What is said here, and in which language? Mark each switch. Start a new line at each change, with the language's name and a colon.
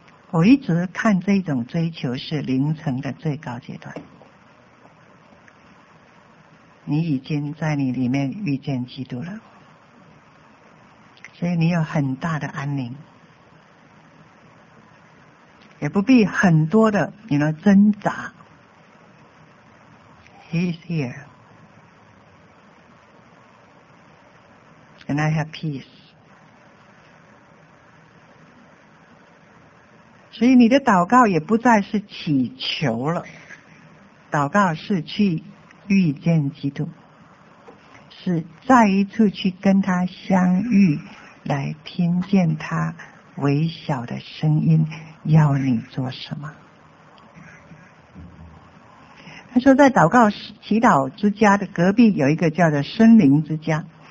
Chinese: 我一直看这种追求是灵程的最高阶段，你已经在你里面遇见基督了，所以你有很大的安宁，也不必很多的你的挣扎。
English: He's here and I have peace。
Chinese: 所以你的祷告也不再是祈求了，祷告是去遇见基督，是再一次去跟他相遇，来听见他微小的声音要你做什么。他说在祷告祈祷之家的隔壁有一个叫做森林之家，